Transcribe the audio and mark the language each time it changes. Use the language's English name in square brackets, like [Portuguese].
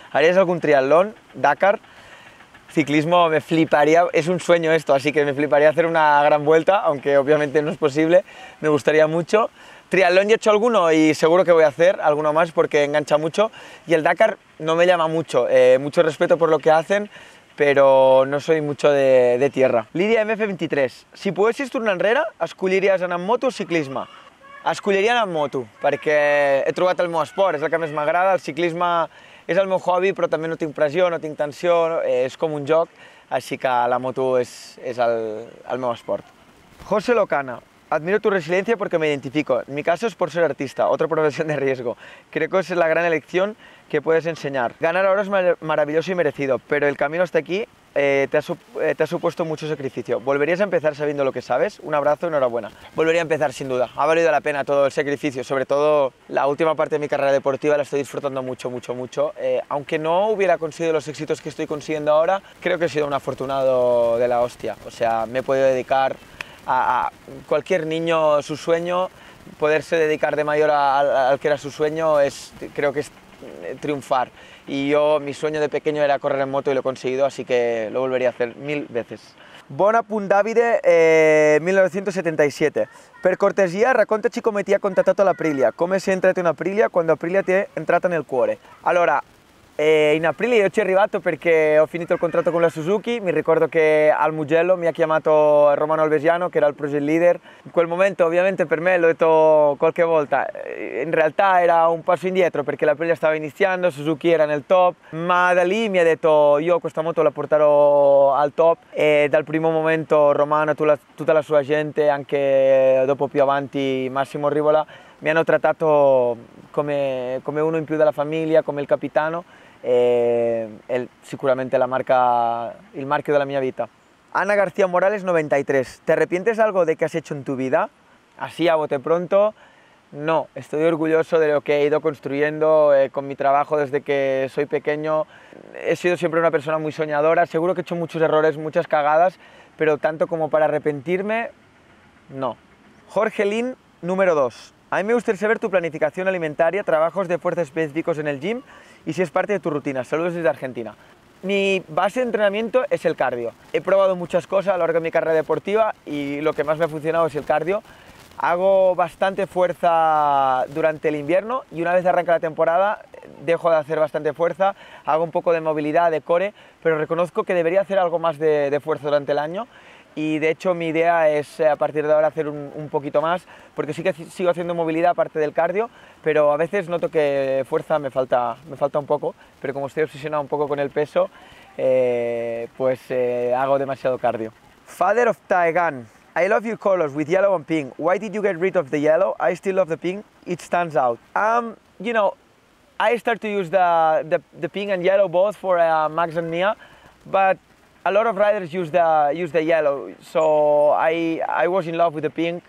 [Spanish] ¿Harías algún triatlón, Dakar? Ciclismo me fliparía, es un sueño esto, así que me fliparía hacer una gran vuelta, aunque obviamente no es posible, me gustaría mucho. Triatlón ya he hecho alguno y seguro que voy a hacer alguno más porque engancha mucho, y el Dakar no me llama mucho, mucho respeto por lo que hacen, pero no soy mucho de tierra. [Catalan] Lidia MF23, si pudieses tornar enrere, ¿escollirías anar en moto o ciclisme? Escolliria anar en moto, perquè he trobat el meu esport, és el que més m'agrada, el ciclisme és el meu hobby, però també no tinc pressió, no tinc tensió, és com un joc, així que la moto és el meu esport. [Spanish] José Locana, admiro tu resiliencia porque me identifico. En mi caso es por ser artista, otra profesión de riesgo. Creo que es la gran elección que puedes enseñar. Ganar ahora es maravilloso y merecido, pero el camino hasta aquí te ha supuesto mucho sacrificio. ¿Volverías a empezar sabiendo lo que sabes? Un abrazo y enhorabuena. Volvería a empezar, sin duda. Ha valido la pena todo el sacrificio, sobre todo la última parte de mi carrera deportiva, la estoy disfrutando mucho, mucho, mucho. Aunque no hubiera conseguido los éxitos que estoy consiguiendo ahora, creo que he sido un afortunado de la hostia. O sea, me he podido dedicar a cualquier niño su sueño, poderse dedicar de mayor al que era su sueño, creo que es triunfar. Y yo, mi sueño de pequeño era correr en moto y lo he conseguido, así que lo volvería a hacer mil veces. Bonapunt Davide, 1977. [Italian] Per cortesia, raccontaci com ti ha contattato l'Aprilia, come si è entrata in Aprilia quando Aprilia ti è entrata nel cuore. Allora, in Aprilia io ci è arrivato perché ho finito il contratto con la Suzuki. Mi ricordo che al Mugello mi ha chiamato Romano Alvesiano, che era il project leader. In quel momento, ovviamente, per me, l'ho detto qualche volta, in realtà era un passo indietro perché l'Aprilia stava iniziando, Suzuki era nel top, ma da lì mi ha detto: io questa moto la porterò al top. E dal primo momento Romano e tutta la sua gente, anche dopo più avanti Massimo Rivola, mi hanno trattato come uno in più della famiglia, come il capitano, e sicuramente la marca, il marchio della mia vita. [Spanish] Ana García Morales, 93. ¿Te arrepientes algo de que has hecho en tu vida? Así a bote pronto, no. Estoy orgulloso de lo que he ido construyendo con mi trabajo desde que soy pequeño. He sido siempre una persona muy soñadora. Seguro que he hecho muchos errores, muchas cagadas, pero tanto como para arrepentirme, no. Jorge Lin, número 2. A mí me gustaría saber tu planificación alimentaria, trabajos de fuerza específicos en el gym y si es parte de tu rutina. Saludos desde Argentina. Mi base de entrenamiento es el cardio. He probado muchas cosas a lo largo de mi carrera deportiva y lo que más me ha funcionado es el cardio. Hago bastante fuerza durante el invierno y una vez arranca la temporada dejo de hacer bastante fuerza. Hago un poco de movilidad, de core, pero reconozco que debería hacer algo más de fuerza durante el año. Y de hecho mi idea es a partir de ahora hacer un poquito más, porque sí que sigo haciendo movilidad aparte del cardio, pero a veces noto que fuerza me falta un poco, pero como estoy obsesionado un poco con el peso, pues hago demasiado cardio. [English] Father of Taegan, I love your colors with yellow and pink. Why did you get rid of the yellow? I still love the pink. It stands out. You know, I start to use the pink and yellow both for Max and Mia, but a lot of riders use the yellow, so I was in love with the pink.